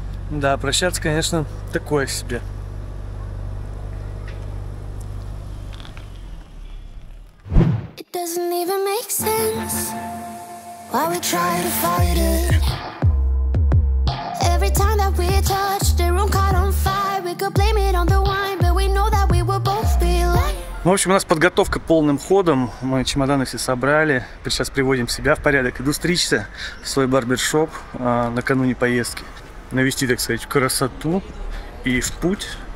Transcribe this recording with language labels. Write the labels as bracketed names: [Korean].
[Russian] Да, прощаться, конечно, такое себе. [English] It doesn't even make sense. Why we try to fight it? Every time that we touch, the room caught on fire. We could blame it on the wine, but we know that we will both be like. [Russian] Ну, в общем, у нас подготовка полным ходом. Мы чемоданы все собрали. Сейчас приводим себя в порядок. Иду стричься в свой барбершоп накануне поездки. Навести, так сказать, красоту и в путь.